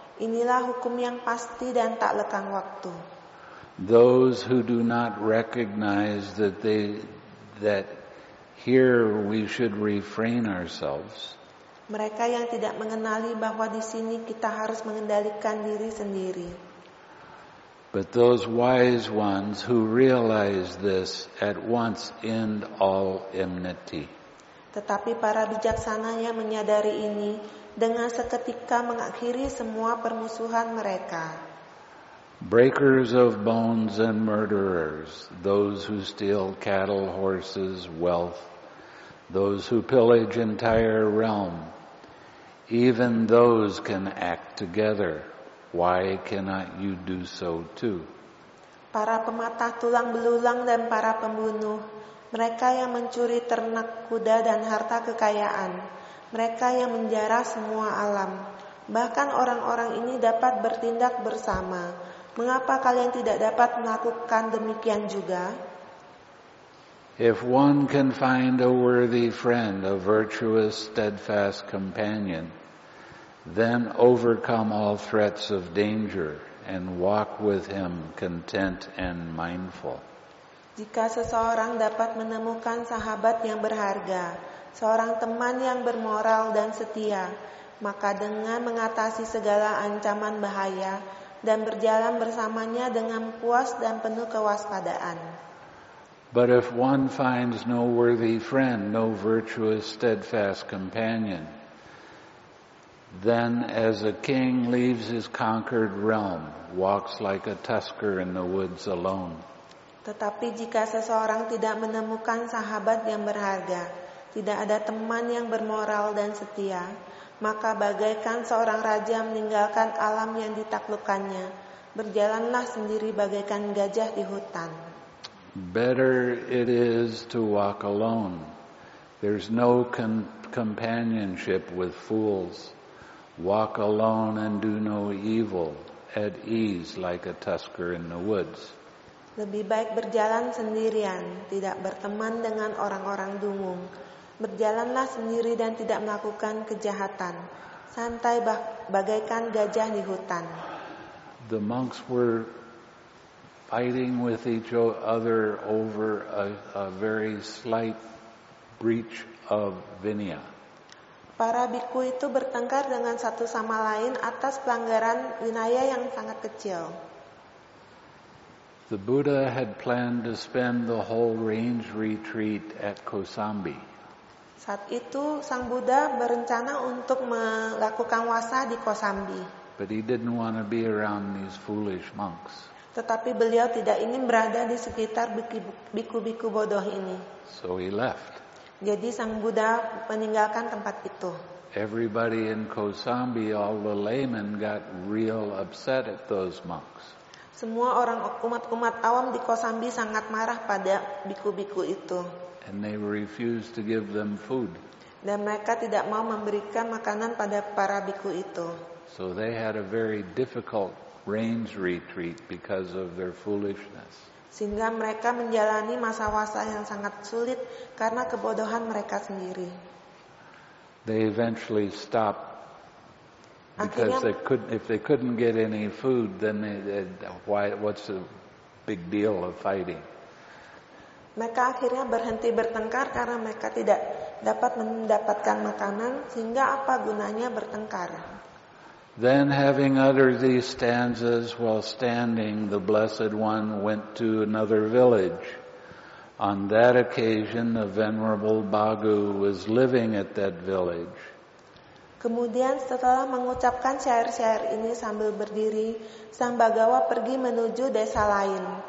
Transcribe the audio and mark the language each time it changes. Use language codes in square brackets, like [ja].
[id] Inilah hukum yang pasti dan tak lekang waktu. [en] Those who do not recognize that here we should refrain ourselves. [id] Mereka yang tidak mengenali bahwa di sini kita harus mengendalikan diri sendiri. [en] But those wise ones who realize this at once end all enmity. [id] Tetapi para bijaksana yang menyadari ini dengan seketika mengakhiri semua permusuhan mereka. [en] Breakers of bones and murderers, those who steal cattle, horses, wealth, those who pillage entire realm, even those can act together. Why cannot you do so too? [id] Para pematah tulang belulang dan para pembunuh, mereka yang mencuri ternak, kuda, dan harta kekayaan, mereka yang menjarah semua alam, bahkan orang-orang ini dapat bertindak bersama. Mengapa kalian tidak dapat melakukan demikian juga? [en] If one can find a worthy friend, a virtuous, steadfast companion, then overcome all threats of danger and walk with him content and mindful. [id] Jika seseorang dapat menemukan sahabat yang berharga, seorang teman yang bermoral dan setia, maka dengan mengatasi segala ancaman bahaya dan berjalan bersamanya dengan puas dan penuh kewaspadaan. [en] But if one finds no worthy friend, no virtuous, steadfast companion, then as a king leaves his conquered realm, walks like a tusker in the woods alone. [id] Tetapi jika seseorang tidak menemukan sahabat yang berharga, tidak ada teman yang bermoral dan setia, maka bagaikan seorang raja meninggalkan alam yang ditaklukkannya, berjalanlah sendiri bagaikan gajah di hutan. [en] Better it is to walk alone. There's no companionship with fools. Walk alone and do no evil, at ease like a tusker in the woods. [id] Lebih baik berjalan sendirian, tidak berteman dengan orang-orang dungung. Berjalanlah sendiri dan tidak melakukan kejahatan. Santai bagaikan gajah di hutan. [en] The monks were fighting with each other over a very slight breach of vinaya. [id] Para bhikkhu itu bertengkar dengan satu sama lain atas pelanggaran vinaya yang sangat kecil. [en] The Buddha had planned to spend the whole range retreat at Kosambi. [id] Saat itu Sang Buddha berencana untuk melakukan wasa di Kosambi. [en] But he didn't want to be around these foolish monks. [id] Tetapi beliau tidak ingin berada di sekitar bhikkhu-bhikkhu bodoh ini. [en] So he left. [id] Jadi Sang Buddha meninggalkan tempat itu. [en] Everybody in Kosambi, all the laymen got real upset at those monks. [id] Semua orang umat-umat awam di Kosambi sangat marah pada bhikkhu-bhikkhu itu. [en] And they refused to give them food. [id] Dan mereka tidak mau memberikan makanan pada para bhikkhu itu. [en] So they had a very difficult range retreat because of their foolishness. [id] Sehingga mereka menjalani masa wasa yang sangat sulit karena kebodohan mereka sendiri. [en] They eventually stopped because if they couldn't get any food, then what's the big deal of fighting? [id] Mereka akhirnya berhenti bertengkar karena mereka tidak dapat mendapatkan makanan, sehingga apa gunanya bertengkar? [en] Then having uttered these stanzas while standing, the Blessed One went to another village. On that occasion, the Venerable Bhagu was living at that village. [id] Kemudian setelah mengucapkan syair-syair ini sambil berdiri, Sang Bhagawa pergi menuju desa lain.